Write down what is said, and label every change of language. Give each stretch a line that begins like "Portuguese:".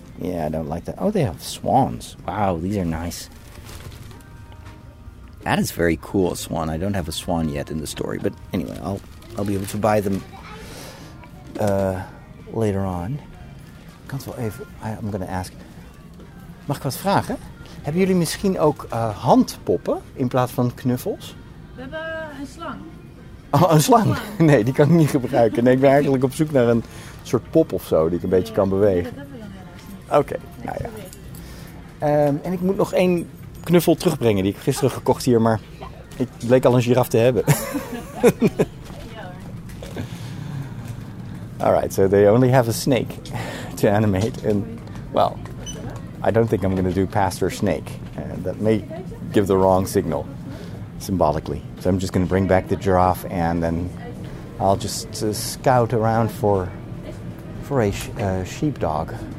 English: Yeah, I don't like that. Oh, they have swans. Wow, these are nice. That is very cool, a swan. I don't have a swan yet in the story, but anyway, I'll be able to buy them later on.
Dutch: Kan wel even.
English: I'm going to ask.
Dutch: Mag ik wat vragen? Hebben jullie misschien ook handpoppen in plaats van knuffels? We hebben een slang. Oh, een slang? Nee, die kan ik niet gebruiken. Nee, ik ben eigenlijk op zoek naar een soort pop of zo die ik een beetje kan bewegen. Oké, okay, nou ja. En ik moet nog één knuffel terugbrengen die ik gisteren gekocht hier, maar ik bleek al een giraf te hebben.
English: All right, so they only have a snake to animate, and well, I don't think I'm going to do pastor snake, and that may give the wrong signal symbolically. So I'm just going to bring back the giraffe, and then I'll just scout around for a sheepdog.